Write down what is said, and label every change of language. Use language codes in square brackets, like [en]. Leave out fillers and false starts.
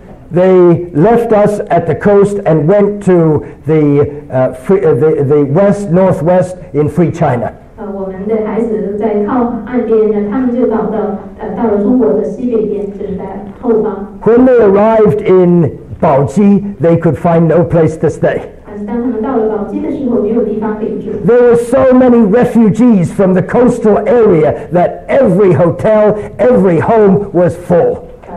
[en] They left us at the coast and went to the west, northwest in Free China. [zh] 我们的孩子在靠岸边呢，他们就到了中国的西北边，就是在后方。 [en] When they arrived in Baoji, they could find no place to stay. There were so many refugees from the coastal area that every hotel, every home was full.